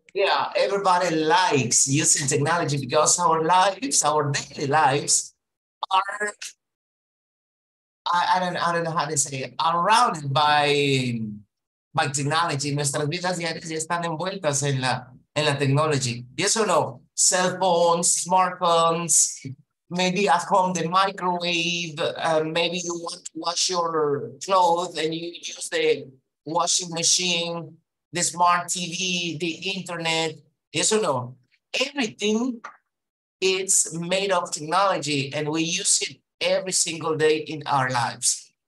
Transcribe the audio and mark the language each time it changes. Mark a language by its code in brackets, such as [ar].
[en] Yeah, everybody likes using technology because our lives, our daily lives are, I don't know how to say it, surrounded by technology. [es] Nuestras vidas diarias ya están envueltas en la technology. [en] Yes or no? Cell phones, smartphones, maybe at home the microwave, maybe you want to wash your clothes and you use the washing machine, the smart TV, the internet, yes or no? Everything is made of technology and we use it every single day in our lives.